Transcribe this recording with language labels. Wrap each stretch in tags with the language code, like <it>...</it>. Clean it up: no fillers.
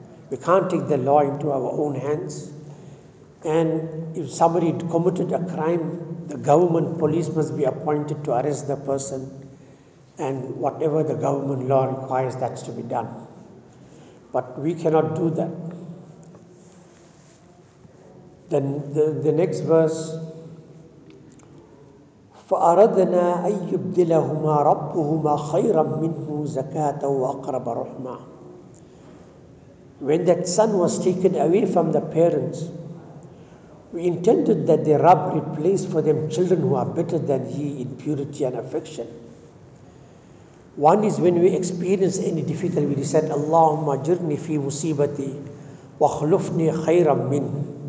<en>We can't take the law into our own hands. And if somebody committed a crime, the government police must be appointed to arrest the person, and whatever the government law requires, that's to be done. But we cannot do that.</en> <ar>Then the next verse, فَأَرَدْنَا أَيُّبْدِلَهُمَا رَبُّهُمَا خَيْرًا مِنْهُ زَكَاةً وَأَقْرَبَ رُحْمًا.</ar> <en>When that son was taken away from the parents, we intended that the Rabb replace for them children who are better than he in purity and affection. One is when we experience any difficulty, we said,</en> <ar>Allahumma jirni fi musibati wa khlufni khayram min.</ar>